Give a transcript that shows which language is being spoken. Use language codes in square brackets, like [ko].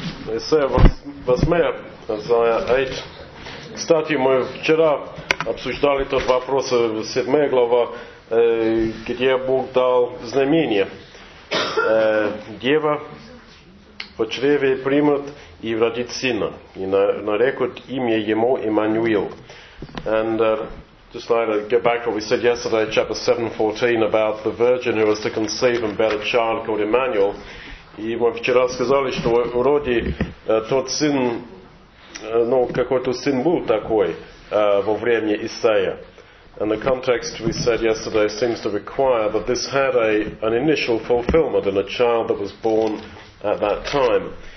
[ru] эссе «Восмер», называемая «Эйч». Кстати, мы вчера обсуждали тот вопрос, 7 глава, где Бог дал знамение. Дева в чреве примет и родит сына, и нарекут имя ему Эммануил. [en] And just like to get back to what we said yesterday, chapter 7:14 about the virgin who was to conceive and bear a child called Emmanuel. [ru] И мы вчера сказали, что вроде тот сын, ну какой-то сын был такой во время Исаия. [en] And the context we said yesterday seems to require that this had an initial fulfillment in a child that was born at that time.